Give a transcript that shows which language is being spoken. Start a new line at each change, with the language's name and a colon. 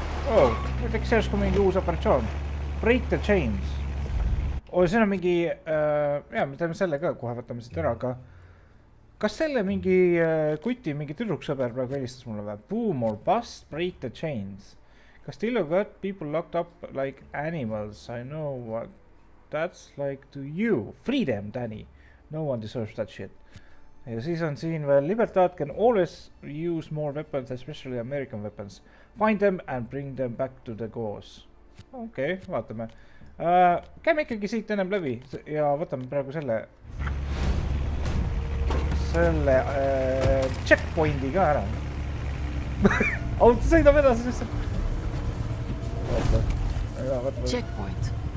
Estonian: Oh, teks järs kui mingi uus operatsioon.
English: Break the chains.
Estonian: Oh, siin on mingi... Jah, me teeme selle ka, kohe võtame siit ära, aga... Kas selle mingi kuti, mingi tüdruksõber praegu helistas mulle või?
English: Boom or bust, break the chains. Castillo got people locked up like animals. I know what that's like to you. Freedom, Danny. No one deserves that shit.
Estonian: Ja siis on siin veel,
English: Libertad can always use more weapons, especially American weapons. Find them and bring them back to the cause.
Estonian: Okei, vaatame. Käime ikkagi siit ennem läbi ja võtame praegu selle... ...selle checkpointi ka ära. Auto sõidab edasi sisse.
English: Checkpoint.